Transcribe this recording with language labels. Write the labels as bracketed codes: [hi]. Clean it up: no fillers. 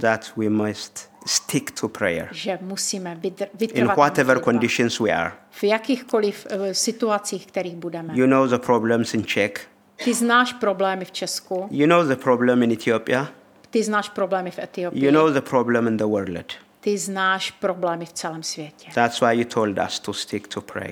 [en] That we must stick to prayer. [cs] Že musíme vytrvat. [en] In whatever conditions we are. [cs] V jakýchkoliv situacích, kterých budeme. [en] You know the problems in Czech. [cs] Ty znáš problémy v Česku. [en] You know the problem in Ethiopia. [cs] Ty znáš problémy v Etiopii. [en] You know the problem in the world. [cs] Ty znáš problémy v celém světě. [en] That's why you told us to stick to pray.